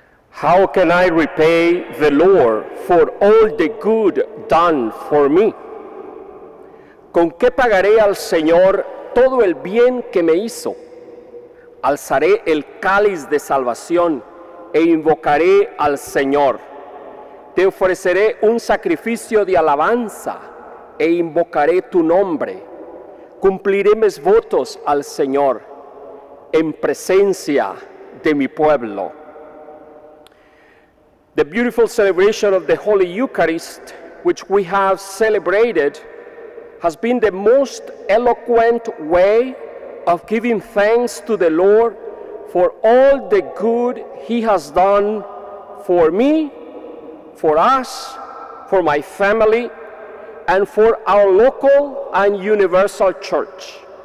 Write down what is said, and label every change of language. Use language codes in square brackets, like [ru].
[en] How can I repay the Lord for all the good done for me? [es] ¿Con qué pagaré al Señor todo el bien que me hizo? Alzaré el cáliz de salvación e invocaré al Señor. Te ofreceré un sacrificio de alabanza e invocaré tu nombre. Cumpliré mis votos al Señor en presencia de mi pueblo. [en] The beautiful celebration of the Holy Eucharist, which we have celebrated, has been the most eloquent way of giving thanks to the Lord for all the good He has done for me, for us, for my family, and for our local and universal church.